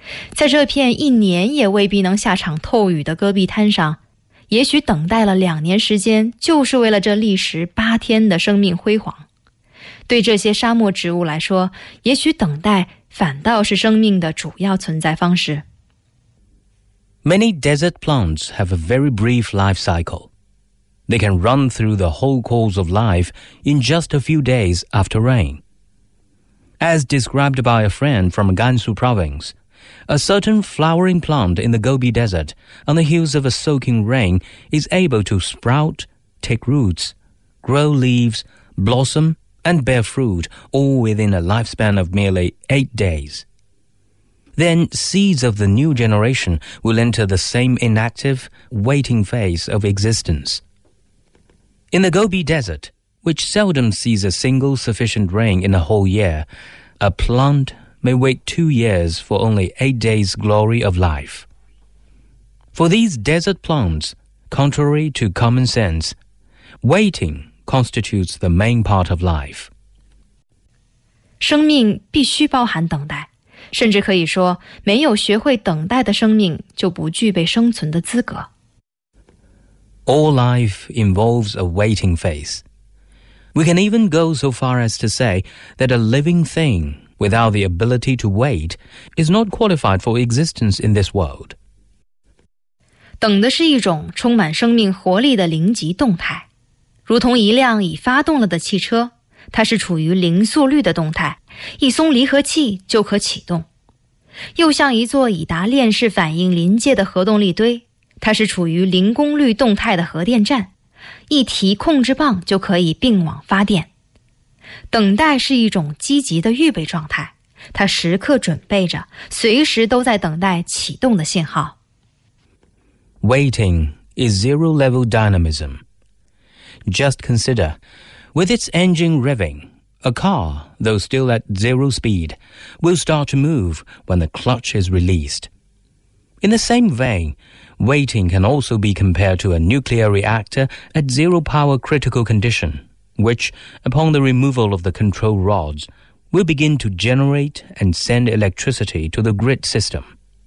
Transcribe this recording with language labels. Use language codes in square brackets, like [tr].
[zh] 在这片一年也未必能下场透雨的戈壁滩上，也许等待了2年时间，就是为了这历时8天的生命辉煌。对这些沙漠植物来说，也许等待反倒是生命的主要存在方式。 [en] Many desert plants have a very brief life cycle. They can run through the whole course of life in just a few days after rain. As described by a friend from Gansu province, a certain flowering plant in the Gobi Desert on the heels of a soaking rain is able to sprout, take roots, grow leaves, blossom,and bear fruit all within a lifespan of merely 8 days. Then seeds of the new generation will enter the same inactive, waiting phase of existence. In the Gobi Desert, which seldom sees a single sufficient rain in a whole year, a plant may wait 2 years for only 8 days' glory of life. For these desert plants, contrary to common sense, waitingconstitutes the main part of life. [zh] 生命必须包含等待，甚至可以说，没有学会等待的生命就不具备生存的资格。 [en] All life involves a waiting phase. We can even go so far as to say that a living thing without the ability to wait is not qualified for existence in this world. [zh] 等的是一种充满生命活力的灵极动态，如同一辆已发动了的汽车，它是处于零速率的动态，一松离合器就可启动。又像一座已达链式反应临界的核动力堆，它是处于零功率动态的核电站，一提控制棒就可以并网发电。等待是一种积极的预备状态，它时刻准备着，随时都在等待启动的信号。 [en] Waiting is zero level dynamism. Just consider, with its engine revving, a car, though still at zero speed, will start to move when the clutch is released. In the same vein, waiting can also be compared to a nuclear reactor at zero power critical condition, which, upon the removal of the control rods, will begin to generate and send electricity to the grid system.